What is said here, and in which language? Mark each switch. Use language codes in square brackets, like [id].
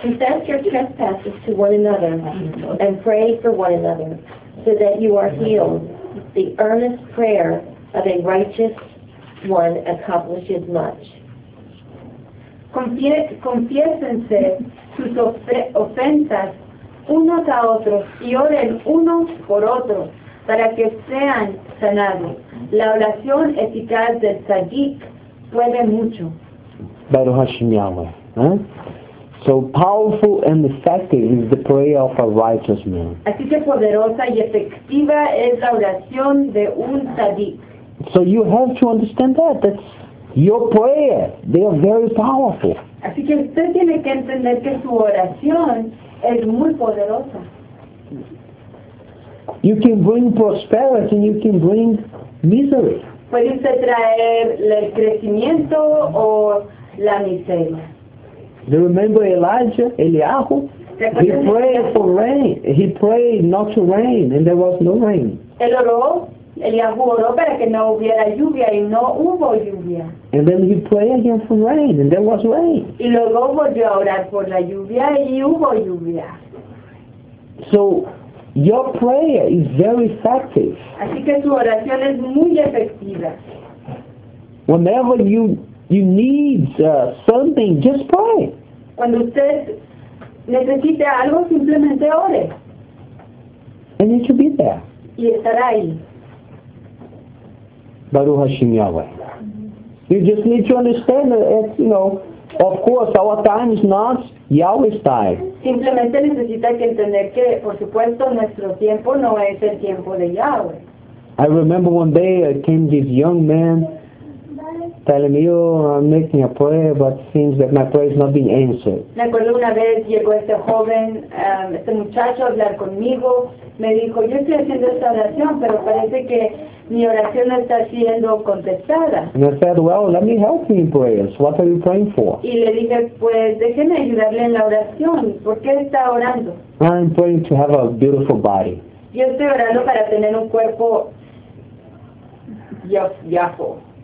[en] Confess your trespasses to one another and pray for one another so that you are healed. The earnest prayer of a righteous one accomplishes much. [es] Confiésense sus ofensas unos a otros y oren unos por otros para que sean sanados. La oración eficaz del tzadik puede mucho. [he] Baruch Hashem Yahweh. [en] So powerful and effective is the prayer of a righteous man. [es] Así que poderosa y efectiva es la oración de un tzadik. [en] So you have to understand that. That's your prayer. They are very powerful. [es] Así que usted tiene que entender que su oración es muy poderosa. [en] You can bring prosperity and you can bring misery. [es] Puede usted traer el crecimiento o la miseria. [en] You remember Elijah, Eliahu? He prayed for rain. He prayed not to rain and there was no rain. [es] Él oró, Eliahu oró para que no hubiera lluvia y no hubo lluvia. [en] And then he prayed again for rain and there was rain. [es] Y luego volvió a orar por la lluvia y hubo lluvia. [en] So your prayer is very effective. [es] Así que su oración es muy efectiva. [en] Whenever you need something, just pray. [es] Cuando usted necesite algo, simplemente ore. [en] And it should be there. [es] Y estará ahí. [he] Baruch Hashem Yahweh. [en] You just need to understand that, you know, of course, our time is not Yahweh's time. [es] Simplemente necesita que entender que, por supuesto, nuestro tiempo no es el tiempo de Yahweh. [en] I remember one day came this young man telling me, "Oh, I'm making a prayer, but seems that my prayer is not being answered." [es] Me acuerdo una vez llegó este joven, este muchacho a hablar conmigo. Me dijo, "Yo estoy haciendo esta oración, pero parece que mi oración no está siendo contestada." [en] And I said, "Well, let me help you in prayers. What are you praying for?" [es] Y le dije, "Pues déjeme ayudarle en la oración. ¿Por qué está orando?" [en] I'm praying to have a beautiful body. [es] Yo estoy orando para tener un cuerpo yafo.